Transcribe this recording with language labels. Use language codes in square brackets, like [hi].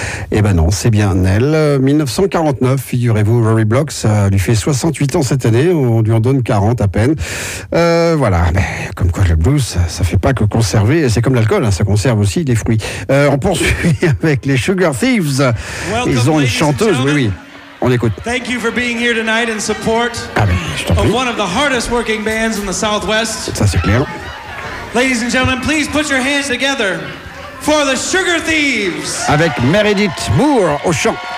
[fr] Eh ben non, c'est bien elle. 1949, figurez-vous, Rory Block, ça lui fait 68 ans cette année, on lui en donne 40 à peine. Voilà, mais comme quoi le blues, ça ne fait pas que conserver, c'est comme l'alcool, hein, ça conserve aussi des fruits. On poursuit avec les Sugar Thieves. [en] Welcome, [fr] ils ont une chanteuse, oui. On écoute. [en] Thank you for being here tonight in support of one of the hardest working bands in the Southwest. [fr] Ça, c'est clair. [en] Ladies and gentlemen, please put your hands together for the Sugar Thieves. [fr] Avec Meredith Moore au chant.